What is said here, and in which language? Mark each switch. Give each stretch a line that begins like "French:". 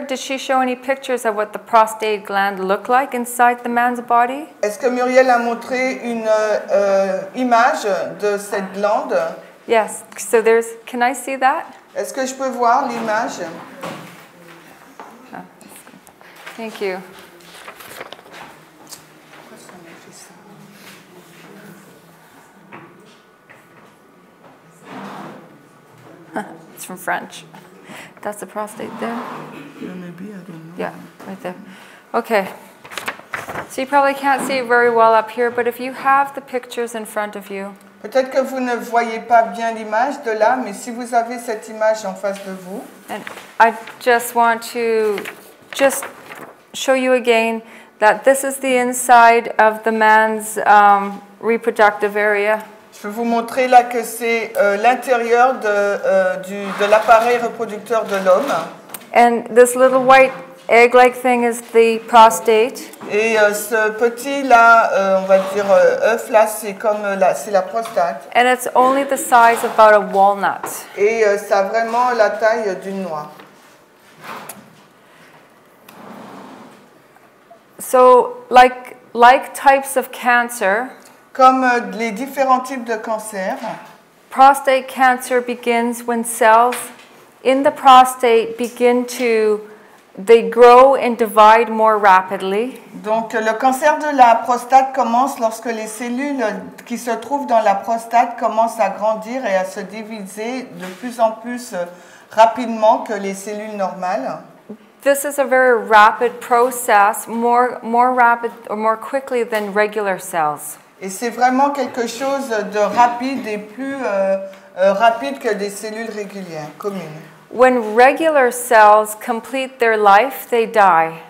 English: Did she show any pictures of what the prostate gland looked like inside the man's body?
French: Est-ce que Muriel a montré une image de cette glande?
English: Yes. So there's. Can I see that?
French: Est-ce que je peux voir l'image?
English: Thank you. From French. That's the prostate there. Yeah, maybe, I don't know. Yeah, right there. Okay. So you probably can't see it very well up here, but if you have the pictures in front of you.
French: Peut-être que vous ne voyez pas bien l'image de là, mais si vous avez cette image en face de vous.
English: And I just want to just show you again that this is the inside of the man's reproductive area.
French: Je peux vous montrer là que c'est l'intérieur de l'appareil reproducteur de l'homme.
English: And this little white egg-like thing is the prostate.
French: Et ce petit là, on va dire œuf là, c'est comme la, c'est la prostate.
English: And it's only the size of about a walnut.
French: Et ça a vraiment la taille d'une noix.
English: So, like types of cancer.
French: Comme les différents types de cancers.
English: Prostate cancer begins when cells in the prostate begin to they grow and divide more rapidly.
French: Donc le cancer de la prostate commence lorsque les cellules qui se trouvent dans la prostate commencent à grandir et à se diviser de plus en plus rapidement que les cellules normales.
English: This is a very rapid process, more rapid or more quickly than regular cells.
French: Et c'est vraiment quelque chose de rapide et plus rapide que des cellules régulières, communes.
English: When regular cells complete their life, they die.